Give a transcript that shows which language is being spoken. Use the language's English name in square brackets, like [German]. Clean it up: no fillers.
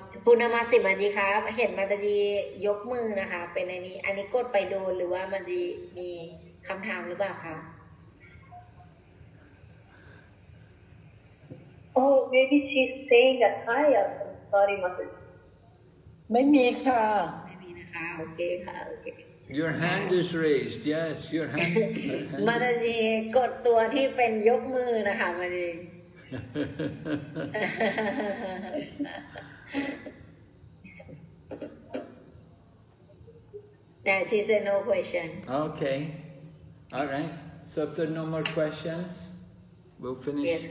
[Thai] คุณนมัสสิมันดีครับเห็นมัตจียกมือนะคะเป็นอันนี้อันนี้กดไปโดนหรือว่ามันจีมีคำถามหรือเปล่าคะ [English] Oh maybe she's saying that hi I'm sorry มัตจี [Thai] ไม่มีค่ะ ไม่มีนะคะโอเคค่ะโอเค [English] Your hand is raised yes your hand [Thai] มัตจีกดตัวที่เป็นยกมือนะคะมัตจี [English] That is a no question. Okay. All right. So if there are no more questions, we'll finish.